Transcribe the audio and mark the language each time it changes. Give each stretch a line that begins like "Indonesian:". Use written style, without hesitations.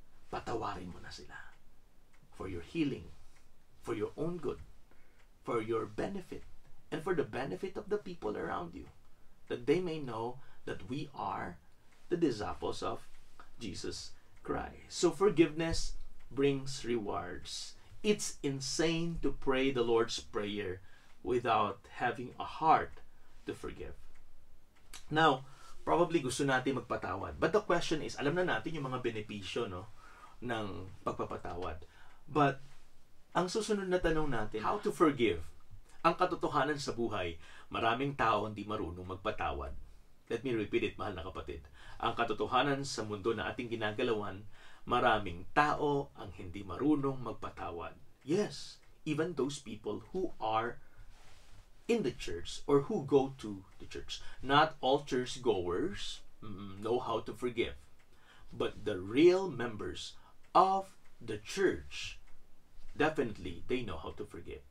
Filipino: Patawarin mo na sila
English: for your healing, for your own good, for your benefit, and for the benefit of the people around you, that they may know that we are the disciples of Jesus Christ. So forgiveness brings rewards. It's insane to pray the Lord's Prayer without having a heart to forgive. Now, probably
Filipino: gusto natin magpatawad.
English: But the question is,
Filipino: alam na natin yung mga benepisyo, no, ng pagpapatawad. But ang susunod na tanong natin,
English: how to forgive?
Filipino: Ang katotohanan sa buhay, maraming tao hindi marunong magpatawad.
English: Let me repeat it,
Filipino: mahal na kapatid. Ang katotohanan sa mundo na ating ginagalawan, maraming tao ang hindi marunong magpatawad.
English: Yes, even those people who are in the church or who go to the church. Not all churchgoers know how to forgive. But the real members of the church, definitely, they know how to forgive.